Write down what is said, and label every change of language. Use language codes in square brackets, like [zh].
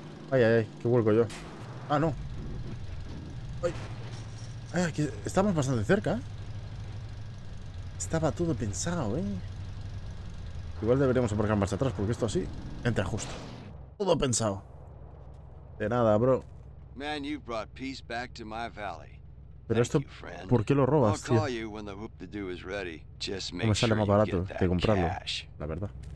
[es] Ay, ay, ay, que vuelco yo. Ah, no. Ay, aquí estamos bastante cerca. Estaba todo pensado, ¿eh? Igual deberíamos aparcar marcha atrás porque esto así entra justo. Todo pensado. De nada, bro. [en] Man, you brought peace back to my valley. [es] Pero esto, ¿por qué lo robas, tío? No me sale más barato que comprarlo, la verdad.